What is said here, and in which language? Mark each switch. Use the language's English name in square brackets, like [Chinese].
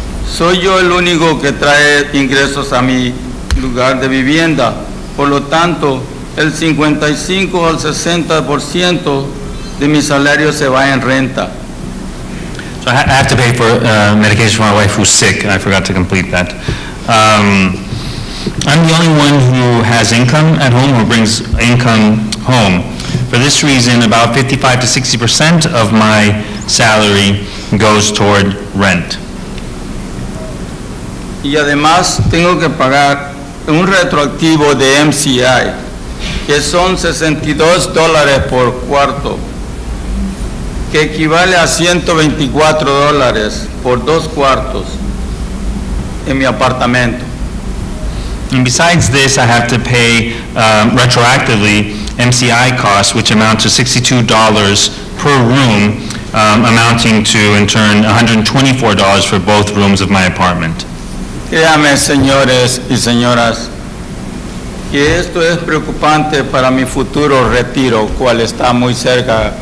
[Spanish] Soy yo el único que trae ingresos a mi lugar de vivienda. Por lo tanto, el 55 al 60% de mi salario se va en renta. [English] So I have to pay for medication for my wife who's sick, and I forgot to complete that. I'm the only one who has income at home, who brings income home. For this reason, about 55 to 60% of my salary goes toward rent. [Spanish] Y además, tengo que pagar un retroactivo de MCI. que son $62 por cuarto, que equivale a $124 por dos cuartos en mi apartamento. [English] And besides this, I have to pay retroactively MCI costs, which amount to $62 per room, amounting to, in turn, $124 for both rooms of my apartment. [Spanish] Créame, señores y señoras, que esto es preocupante para mi futuro retiro, cual está muy cerca.